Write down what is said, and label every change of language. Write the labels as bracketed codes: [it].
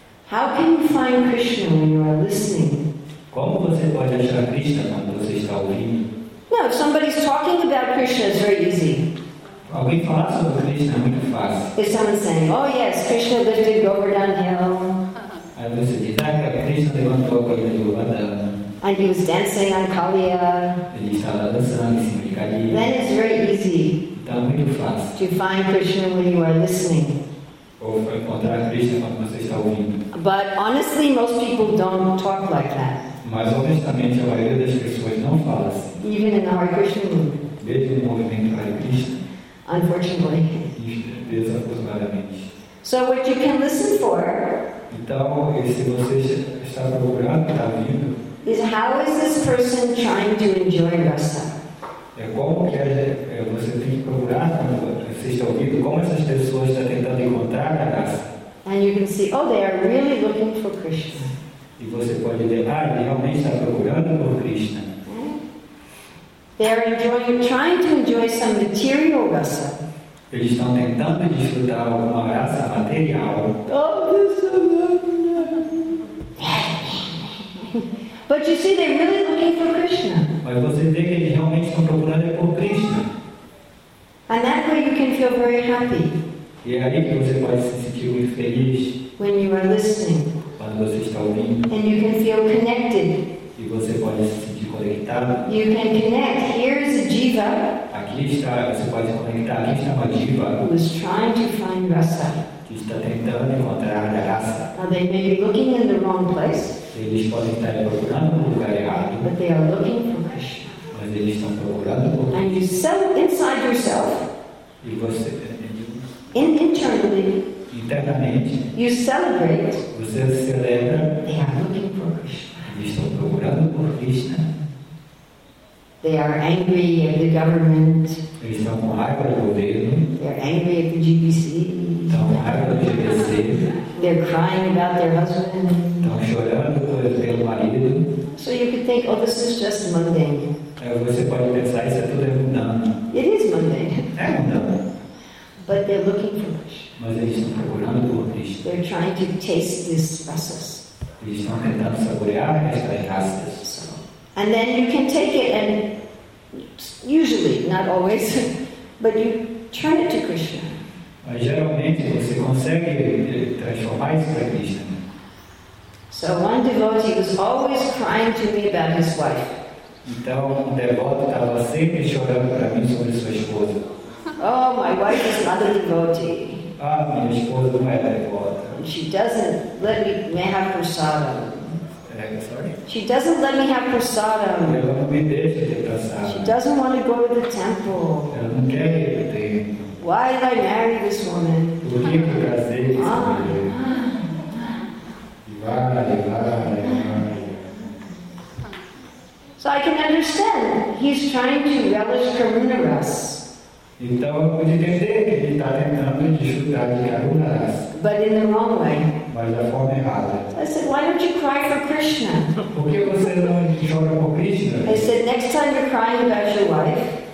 [en] how can you find Krishna when you are listening? [pt] Como você pode achar Krishna quando você está ouvindo? [en] No, if somebody's talking about Krishna, it's very easy. [pt] Alguém falar sobre Krishna é muito fácil. [en] If someone's saying, oh yes, Krishna lifted Govardhanhill. [pt] Aí você diz, ah, Krishna levantou a coisa de Govardhanhill. [en] And he was dancing on Kaliya. [pt] Ele estava dançando em cima de Kaliya. [en] Then it's very easy [pt] então, muito fácil. [en] To find Krishna when you are listening. But honestly, most people don't talk like that. [pt] Mas honestamente, a maioria das pessoas não fala assim. [en] Even in the Hare Krishna movement. [pt] Mesmo no movimento Hare Krishna. [en] Unfortunately. [pt] Desafortunadamente. [en] So what you can listen for. [pt] Então, se você está procurando, está vindo. [en] Is how is this person trying to enjoy rasa? [pt] É como que é, você tem que procurar, como vocês estão ouvindo, como essas pessoas estão tentando encontrar a graça. [en] And you can see, oh, they are really looking for Krishna. [pt] E você pode ver, ah, realmente está procurando por Krishna. [en] They are enjoying, trying to enjoy some material rasa. [pt] Eles estão tentando desfrutar alguma graça material. Oh, isso é. [en] But you see, they're really looking for Krishna. [pt] Mas você vê que eles realmente estão procurando por Krishna. [en] And that way you can feel very happy. [pt] E é aí que você pode se sentir muito feliz. [en] When you are listening. [pt] Quando você está ouvindo. [en] And you can feel connected. [pt] E você pode se sentir conectado. [en] You can connect. Here is a jiva. [pt] Aqui está, você pode se conectar. Aqui está uma jiva. [en] Who is trying to find rasa. [pt] Que está tentando encontrar a rasa. [en] Now they may be looking in the wrong place. [pt] Eles podem estar procurando no lugar errado. [en] But they are looking for Krishna. [pt] Mas eles estão procurando por Krishna. [en] And you sell inside yourself. [pt] E você, [en] internally. [pt] Internamente. [en] You celebrate. [pt] Você celebra. [en] They are looking for Krishna. [pt] Eles estão procurando por Krishna. [en] They are angry at the government. [pt] Eles estão com raiva do governo. [en] They are angry at the GBC. [pt] Estão com raiva do GBC. [en] They're crying about their husband. [pt] Estão chorando pelo marido. [en] So you could think, oh, this is just mundane. [pt] Aí você pode pensar, isso é tudo mundano. [en] It is mundane. [pt] É mundano. [en] But they're looking for Krishna. [pt] Mas eles estão procurando por Krishna. [en] They're trying to taste these rasas. [pt] Eles estão tentando saborear estas rasas. [en] And then you can take it and usually, not always, but you turn it to Krishna. [pt] Mas geralmente você consegue transformar isso para Krishna. [en] So one devotee was always crying to me about his wife. [pt] Então um devoto estava sempre chorando para mim sobre sua esposa. [en] Oh, my wife is not a devotee. [pt] Ah, minha esposa não é devota. [en] And she doesn't let me may have prasada. Sorry. She doesn't let me have prasada. [pt] Ela não me deixa ter prasada. [en] She doesn't want to go to the temple. [pt] Ela não quer ir para o templo. [en] Why did I marry this woman? [pt] Por que eu casei com essa mulher? Vai. [en] So I can understand. He's trying to relish Karuna Ras. [pt] Então eu pude entender que ele está tentando desfrutar de Karuna Ras. [en] But in the wrong way. [pt] Mas da forma errada. [en] I said, why don't you cry for Krishna? [pt] Por que você não chora por Krishna? [en] I said, next time you're crying about your wife.